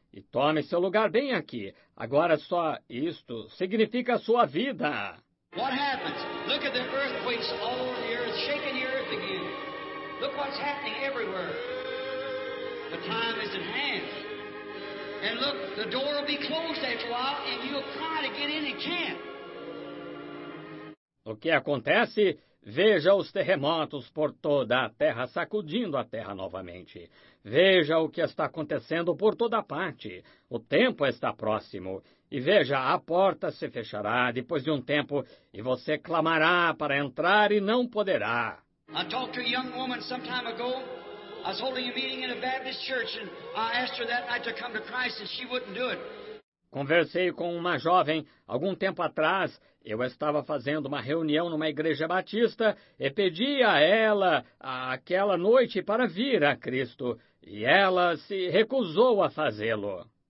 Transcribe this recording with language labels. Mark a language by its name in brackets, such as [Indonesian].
[Portuguese] E tome seu lugar bem aqui. Agora só isto significa a sua vida. [English] What happens? Look at the earthquakes all over the earth, shaking the earth again. Look what's happening everywhere. The time is at hand. And look, the door will be closed after a while, and you'll try to get in and can't. [Portuguese] O que acontece? Veja os terremotos por toda a terra, sacudindo a terra novamente. Veja o que está acontecendo por toda parte. O tempo está próximo. E veja, a porta se fechará depois de um tempo, e você clamará para entrar e não poderá. [English] I talked to a young woman some time ago. I was holding a meeting in a Baptist church, and I asked her that night to come to Christ, and she wouldn't do it. [Portuguese] Conversei com uma jovem algum tempo atrás. Eu estava fazendo uma reunião numa igreja batista e pedi a ela aquela noite para vir a Cristo. E ela se recusou a fazê-lo.